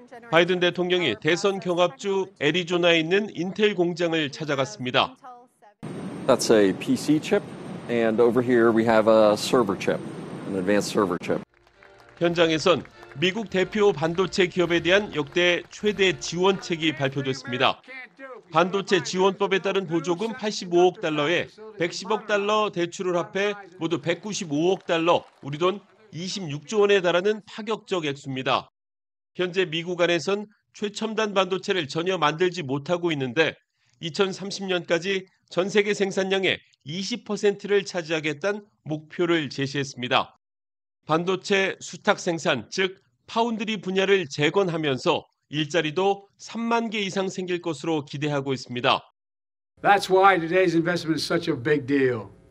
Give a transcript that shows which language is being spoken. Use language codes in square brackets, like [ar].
[ko] 바이든 대통령이 대선 경합주 애리조나에 있는 인텔 공장을 찾아갔습니다. [en] That's a PC chip and over here we have a server chip, an advanced server chip. [ko] 현장에선 미국 대표 반도체 기업에 대한 역대 최대 지원책이 발표됐습니다. 반도체 지원법에 따른 보조금 85억 달러에 110억 달러 대출을 합해 모두 195억 달러, 우리 돈 26조 원에 달하는 파격적 액수입니다. 현재 미국 안에선 최첨단 반도체를 전혀 만들지 못하고 있는데 2030년까지 전 세계 생산량의 20%를 차지하겠다는 목표를 제시했습니다. 반도체 수탁 생산, 즉 파운드리 분야를 재건하면서 일자리도 3만 개 이상 생길 것으로 기대하고 있습니다. [en] That's why today's investment is such a big deal.